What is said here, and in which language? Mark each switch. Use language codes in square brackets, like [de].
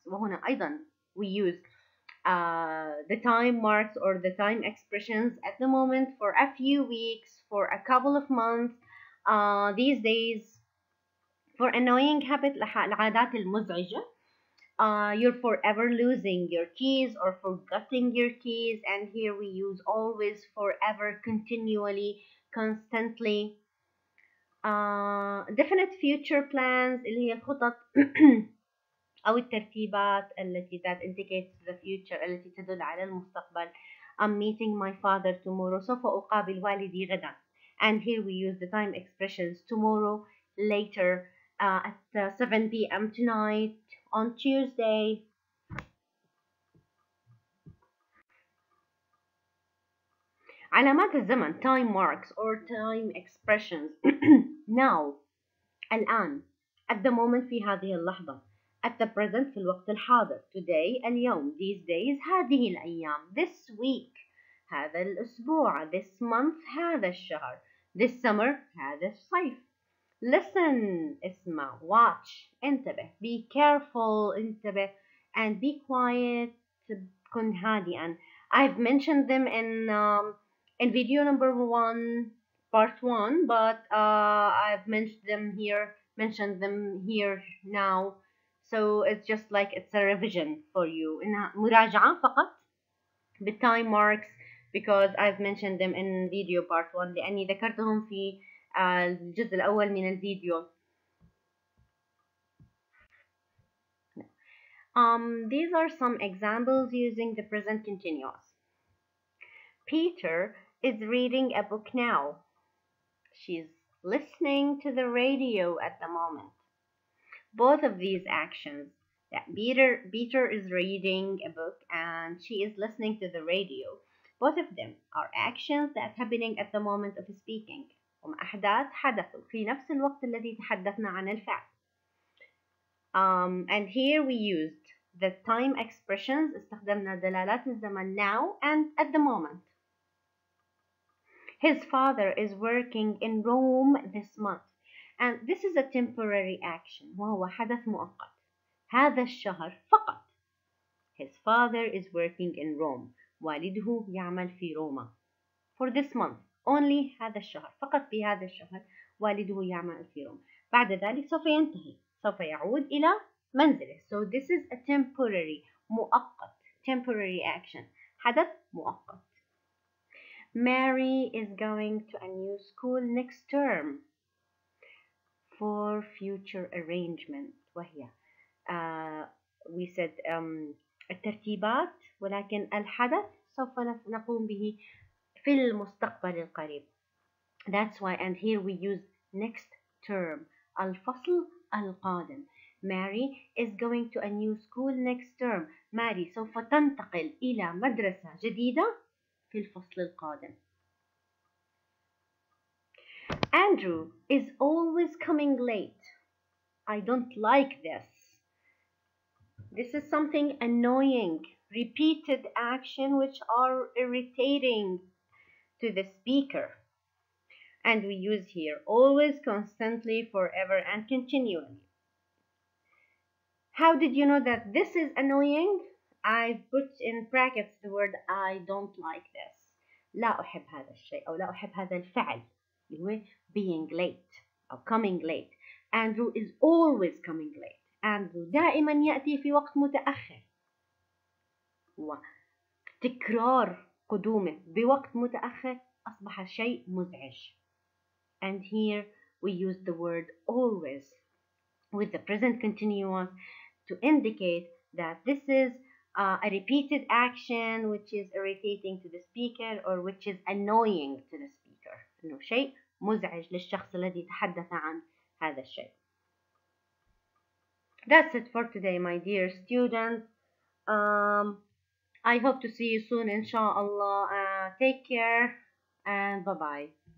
[ar] وهنا أيضا [en] we use the time marks or the time expressions at the moment, for a few weeks, for a couple of months, these days. For annoying habit, [ar] العادات المزعجة. [en] You're forever losing your keys or forgetting your keys. And here we use always, forever, continually, constantly. Definite future plans, [ar] اللي هي الخطط أو الترتيبات التي [en] that indicates the future, [ar] التي تدل على المستقبل. [en] I'm meeting my father tomorrow. [ar] سوف أقابل والدي غدا. [en] And here we use the time expressions tomorrow, later, at 7 p.m. tonight. On Tuesday. [ar] علامات الزمن, [en] time marks or time expressions. Now, [ar] الآن, [en] at the moment, [ar] في هذه اللحظة, [en] at the present, [ar] في الوقت الحاضر, [en] today, [ar] اليوم, [en] these days, [ar] هذه الأيام, [en] this week, [ar] هذا الأسبوع, [en] this month, [ar] هذا الشهر, [en] this summer, [ar] هذا الصيف. [en] Listen, [ar] اسمع, [en] watch, [ar] انتبه, [en] be careful, انتبه, and be quiet, [ar] كن هادئا. [en] I've mentioned them in video number one, part one, but I've mentioned them here now, so it's just like it's a revision for you. [ar] إنها مراجعة فقط بال [en] time marks, because I've mentioned them in video part one, [ar] لأني ذكرتهم في الجزء الأول من الفيديو. [en] These are some examples using the present continuous. Peter is reading a book now. She's listening to the radio at the moment. Both of these actions, that Peter is reading a book and she is listening to the radio, both of them are actions that happening at the moment of speaking. [ar] هم أحداث حدثوا في نفس الوقت الذي تحدثنا عن الفعل. [en] And here we used the time expressions. [ar] استخدمنا دلالات الزمن [en] now and at the moment. His father is working in Rome this month. And this is a temporary action. [ar] وهو حدث مؤقت. هذا الشهر فقط. [en] His father is working in Rome. [ar] والده يعمل في روما. [en] For this month. Only [ar] هذا الشهر. فقط في هذا الشهر والده يعمل في روما. بعد ذلك سوف ينتهي. سوف يعود إلى منزله. [en] So this is a temporary. [ar] مؤقت. [en] Temporary action. [ar] حدث مؤقت. [en] Mary is going to a new school next term for future arrangement. [ar] وهي [en] we said [ar] الترتيبات ولكن الحدث سوف نقوم به في المستقبل القريب. [en] That's why and here we use next term. [ar] الفصل القادم. [en] Mary is going to a new school next term. [ar] ماري سوف تنتقل إلى مدرسة جديدة في الفصل القادم. [en] Andrew is always coming late. I don't like this. This is something annoying. Repeated action which are irritating to the speaker. And we use here always, constantly, forever, and continually. How did you know that this is annoying? I put in brackets the word I don't like this. [ar] لا أحب هذا الشيء أو لا أحب هذا الفعل. [en] Being late or coming late. Andrew is always coming late. [ar] Andrew دائما يأتي في وقت متأخر. وتكرار قدومه بوقت متأخر أصبح شيء مزعج. [en] And here we use the word always with the present continuous to indicate that this is a repeated action which is irritating to the speaker or which is annoying to the speaker. [ar] No شيء مزعج للشخص الذي تحدث عن هذا الشيء. [en] That's it for today, my dear student. I hope to see you soon, inshallah. Take care and bye-bye.